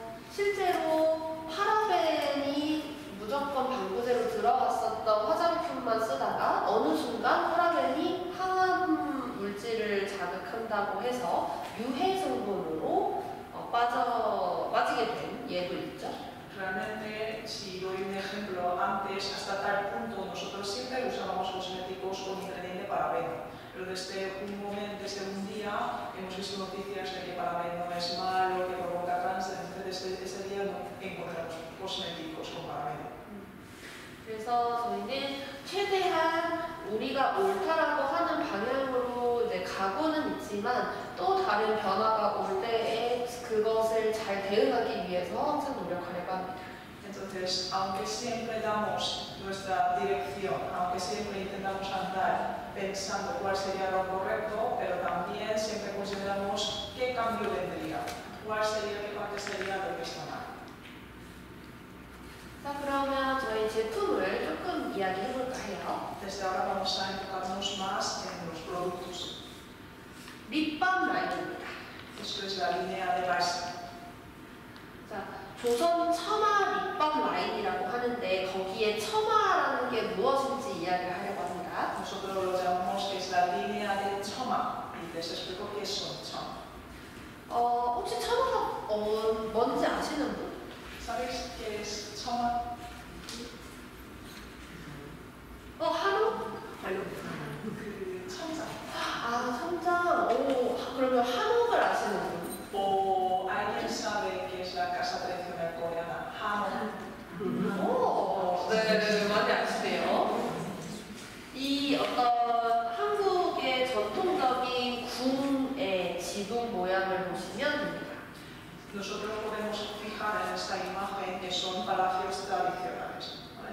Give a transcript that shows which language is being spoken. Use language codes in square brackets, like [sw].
[ko] 실제로 파라벤이 무조건 방부제로 들어갔었던 화장품만 쓰다가 어느 순간 파라벤이 항암 물질을 자극한다고 해서 유해 성분으로 빠지게 된 예도 있죠. [es] Realmente, si doy un ejemplo, antes hasta tal punto nosotros siempre usábamos cosméticos con ingrediente paraben. Pero desde un día hemos visto noticias de que paraben no es malo, que provoca cáncer. Entonces ese día no encontramos cosméticos con paraben. [ko] 그래서 저희는 최대한 우리가 옳다라고 하는 방향으로 이제 가고는 있지만 또 다른 변화가 올 때에 그것을 잘 대응하기 위해서 항상 노력하려고 합니다. [es] Entonces, aunque siempre damos nuestra dirección, aunque siempre intentamos andar pensando cuál sería lo correcto, pero también siempre consideramos qué cambio vendría, cuál sería, qué parte sería lo que está mal. [ko] 자, 그러면 저희 제품을 조금 이야기해볼까 해요. [es] Desde ahora vamos a enfocarnos más en los productos. [ko] 립밤 라인입니다. [es] Esto es la línea de base. [ko] 자, 조선 처마 립밤 라인이라고 하는데 거기에 처마라는 게 무엇인지 이야기를 하려고 합니다. [es] Nosotros lo llamamos que es la línea de 처마. Y les explico qué son 처마. [ko] 혹시 처마가 뭔지 아시는 분? [es] ¿Sabes qué es 처마? [ko] 하루? 하루. 청장. 청장. 오, 그러면 한옥을 아시는 분? [es] 오, alguien sabe que es la casa tradicional coreana, 한옥. [ko] 오, 네, 많이 아시네요. 이 어떤 한국의 전통적인 궁의 지붕 모양을 보시면 됩니다. [es] Nosotros podemos fijar en esta imagen que son palacios tradicionales.